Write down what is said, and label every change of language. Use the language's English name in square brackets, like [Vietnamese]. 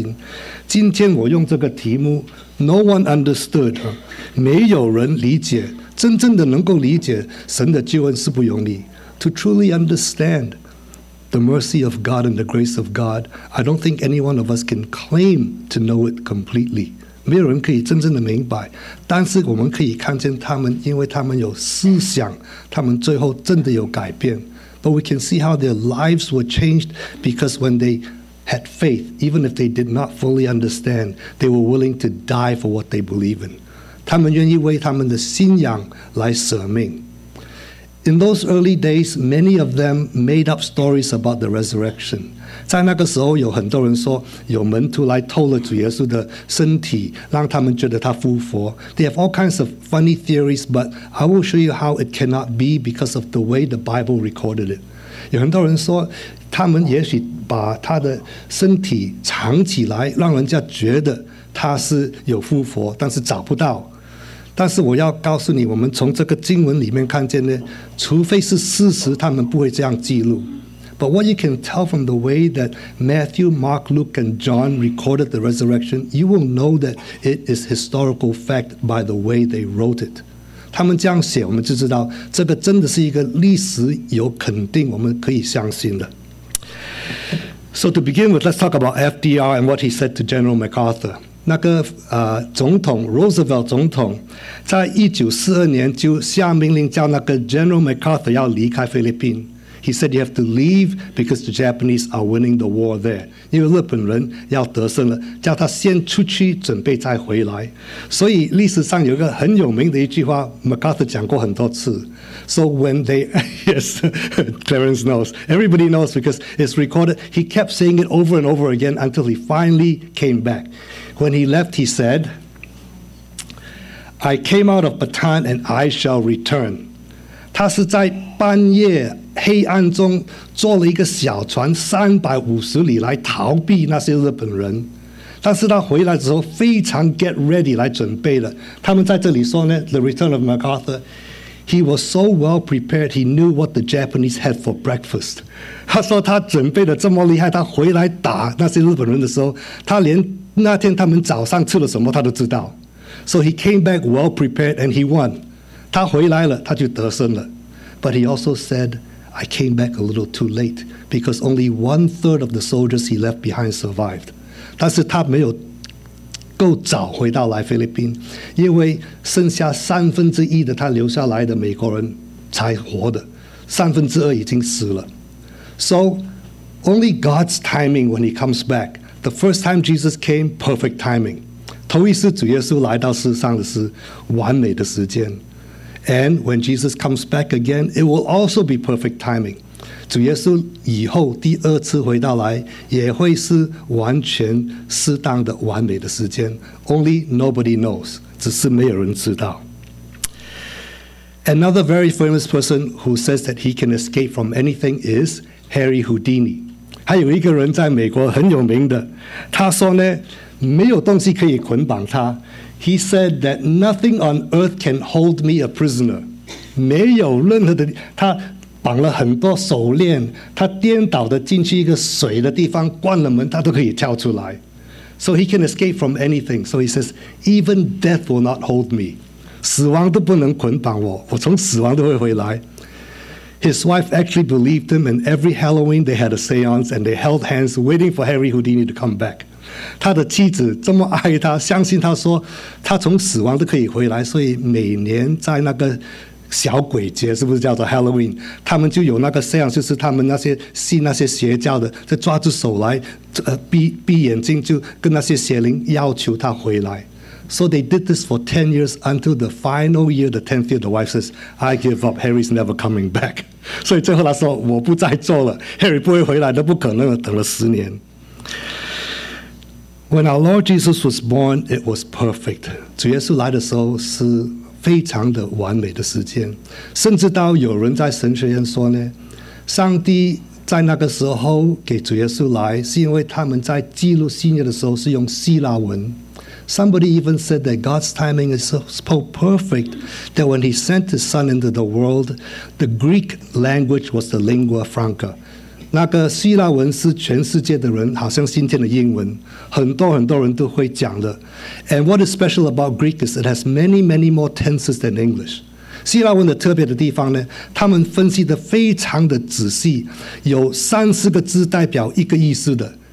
[Chinese] 所以我们可以不是完全了解，但是还是能够有信心。今天我用这个题目， [English] No one understood, [Chinese] 没有人理解，真正的能够理解神的救恩是不容易。 [English] To truly understand the mercy of God and the grace of God, I don't think any one of us can claim to know it completely. [Chinese] 没有人可以真正的明白，但是我们可以看见他们，因为他们有思想，他们最后真的有改变。 [English] But we can see how their lives were changed because when they had faith, even if they did not fully understand, they were willing to die for what they believe in. [Chinese] 他们愿意为他们的信仰来舍命。 [English] In those early days, many of them made up stories about the resurrection. [Chinese] 在那个时候有很多人说有门徒来偷了主耶稣的身体，让他们觉得他复活。 [English] They have all kinds of funny theories, but I will show you how it cannot be because of the way the Bible recorded it. [Chinese] 有很多人说他们也许把他的身体藏起来，让人家觉得他是有复活，但是找不到。但是我要告诉你，我们从这个经文里面看见呢，除非是事实，他们不会这样记录。 [English] But what you can tell from the way that Matthew, Mark, Luke, and John recorded the resurrection, you will know that it is historical fact by the way they wrote it. [Chinese] 他们这样写，我们就知道这个真的是一个历史有肯定，我们可以相信的。 [English] So to begin with, let's talk about FDR and what he said to General MacArthur. [Chinese] 那个总统 Roosevelt 总统，在1942年就下命令叫那个 General MacArthur 要离开菲律宾。 [English] He said you have to leave because the Japanese are winning the war there. [Chinese] 因为日本人要得胜了，叫他先出去准备再回来。所以历史上有一个很有名的一句话 ，MacArthur 讲过很多次。 [English] So when they, yes, Clarence knows. Everybody knows because it's recorded. He kept saying it over and over again until he finally came back. When he left, he said, "I came out of Bataan and I shall return." [Chinese] 他是在半夜黑暗中坐了一个小船350里来逃避那些日本人，但是他回来的时候非常 [English] get ready [Chinese] 来准备了。他们在这里说呢 [English] ，The return of MacArthur, he was so well prepared, he knew what the Japanese had for breakfast. [Chinese] 他说他准备的这么厉害，他回来打那些日本人的时候，他连那天他们早上吃了什么他都知道。 [English] So he came back well prepared and he won. [Chinese] 他回来了，他就得胜了。 [English] But he also said. I came back a little too late because only one third of the soldiers he left behind survived. [Chinese] 但是他没有够早回到来菲律宾，因为剩下三分之一的他留下来的美国人才活的，三分之二已经死了。 [English] So only God's timing when he comes back. The first time Jesus came, perfect timing. [Chinese] 头一次主耶稣来到世上的是完美的时间。 [English] And when Jesus comes back again, it will also be perfect timing. [Chinese] 主耶稣以后第二次回到来也会是完全适当的完美的时间。 [English] Only nobody knows. [Chinese] 只是没有人知道。 [English] Another very famous person who says that he can escape from anything is Harry Houdini. [Chinese] 还有一个人在美国很有名的，他说呢，没有东西可以捆绑他。 [English] He said that nothing on earth can hold me a prisoner. [Chinese] 没有任何的，他绑了很多手链，他颠倒的进去一个水的地方，关了门，他都可以跳出来。 [English] So he can escape from anything. So he says, even death will not hold me. [Chinese] 死亡都不能捆绑我，我从死亡都会回来。 [English] His wife actually believed him, and every Halloween they had a séance and they held hands, waiting for Harry Houdini to come back. [Chinese] 他的妻子这么爱他，相信他说他从死亡都可以回来，所以每年在那个小鬼节，是不是叫做 Halloween， 他们就有那个 séance， 就是他们那些信那些邪教的就抓住手来 闭眼睛，就跟那些邪灵要求他回来。 [English] So they did this for 10 years until the final year, the 10th year, the wife says, I give up, Harry's never coming back. [Chinese] 所以最后他说我不再做了， Harry 不会回来，都不可能了，等了十年。 [English] When our Lord Jesus was born, it was perfect. [Chinese] 主耶稣来的时候是非常的完美的时间，甚至到有人在神学院说呢，上帝在那个时候给主耶稣来，是因为他们在记录新约的时候是用希腊文。 [English] Somebody even said that God's timing is so perfect that when he sent his son into the world, the Greek language was the lingua franca. [Chinese] 那个希腊文是全世界的人好像今天的英文，很多很多人都会讲的。 [English] And what is special about Greek is it has many many more tenses than English. [Chinese] 希腊文的特别的地方呢，他们分析的非常的仔细，有30个字代表一个意思的。